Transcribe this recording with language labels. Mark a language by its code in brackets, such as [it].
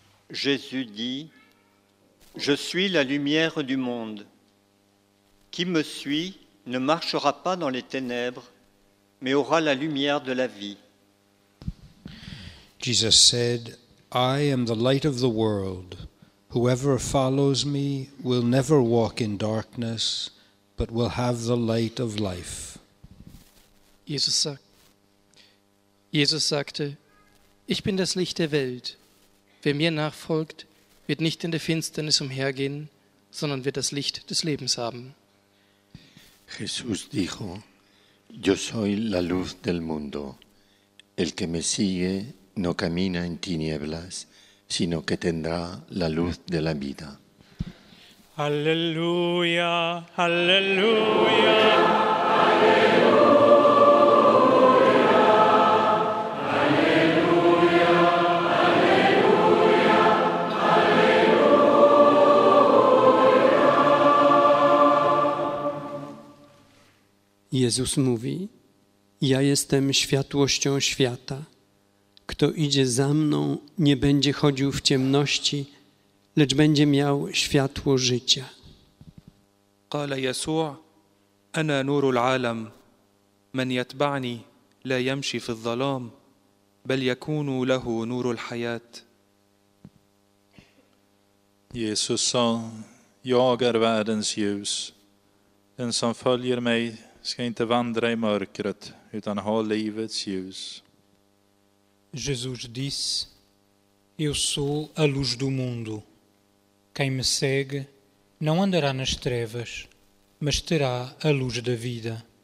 [fr] Jésus dit « Je suis la lumière du monde. Qui me suit ne marchera pas dans les ténèbres, mais aura la lumière de la vie. » [en] Jesus said, « I am the light of the world. Whoever follows me will never walk in darkness, but will have the light of life. » [de] Jesus sagte, ich bin das Licht der Welt. Wer mir nachfolgt, wird nicht in der Finsternis umhergehen, sondern wird das Licht des Lebens haben. [es] Jesús dijo, yo soy la luz del mundo. El que me sigue no camina en tinieblas, sino que tendrá la luz de la vida. Alleluia, alleluia, alleluia. [pl] Jezus mówi, ja jestem światłością świata. Kto idzie za mną, nie będzie chodził w ciemności, lecz będzie miał światło życia. [ar] قال يسوع, أنا نور العالم. من يتبعني لا يمشي في الظلام, بل يكون له نور الحياة. [sv] Jesus sa, jag är världens ljus. Den som följer mig ska inte vandra i mörkret, utan ha livets ljus. [pt] Jesus disse, eu sou a luz do mundo. Quem me segue não andará nas trevas, mas terá a luz da vida.